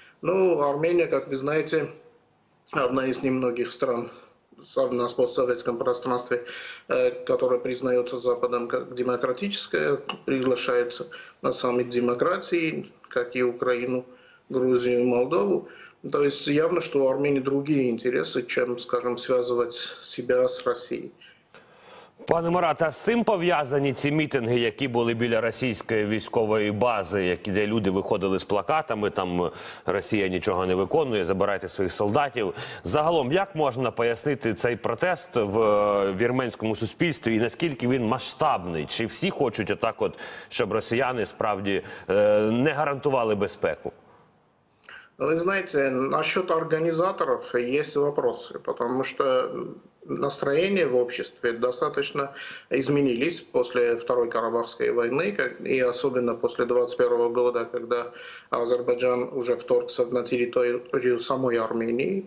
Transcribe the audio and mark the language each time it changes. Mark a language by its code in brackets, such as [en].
[ru] Ну, Армения, как вы знаете, одна из немногих стран на постсоветском пространстве, которая признается Западом как демократическая, приглашается на саммит демократии, как и Украину, Грузию и Молдову. То есть явно, что у Армении другие интересы, чем, скажем, связывать себя с Россией. [uk] Пане Марат, а з цим пов'язані ці мітинги, які були біля російської військової бази, які, де люди виходили з плакатами, там Росія нічого не виконує, забирайте своїх солдатів. Загалом, як можна пояснити цей протест в вірменському суспільстві і наскільки він масштабний? Чи всі хочуть отак от, щоб росіяни справді не гарантували безпеку? Ви знаєте, насчет організаторів є вопроси, тому що [ru] настроения в обществе достаточно изменились после Второй Карабахской войны, и особенно после 21 года, когда Азербайджан уже вторгся на территорию самой Армении.